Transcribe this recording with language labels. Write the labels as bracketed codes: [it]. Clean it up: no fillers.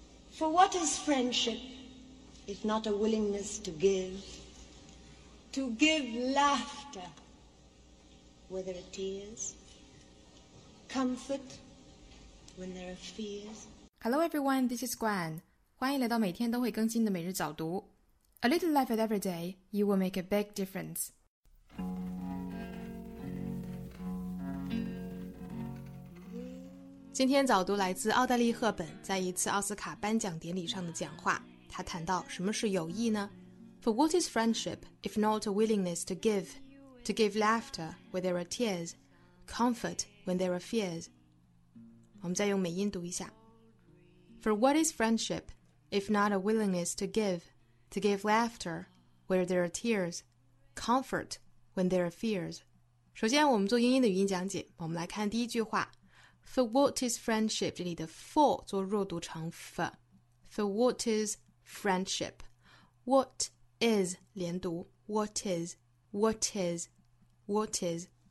[en] For what is friendship if not a willingness to give? To give laughter, where there are tears, comfort when there are fears. Hello everyone, this is Gwen. [zh] 欢迎来到每天都会更新的每日早读。 [en] A little life at every day, you will make a big difference. [zh] 今天早读来自奥黛丽·赫本在一次奥斯卡颁奖典礼上的讲话，她谈到什么是友谊呢？ [en] For what is friendship if not a willingness to give? To give laughter when there are tears, comfort when there are fears. [zh] 我们再用美音读一下。 [en] For what is friendship if not a willingness to give? To give laughter where there are tears, comfort when there are fears. [zh] 首先我们做英音的语音讲解，我们来看第一句话。 [en] For what is friendship? [zh] 这里的 [en] for [zh] 做弱读成 [en] for. For what is friendship? What is [zh] 连读 [en] What is? What is? What is?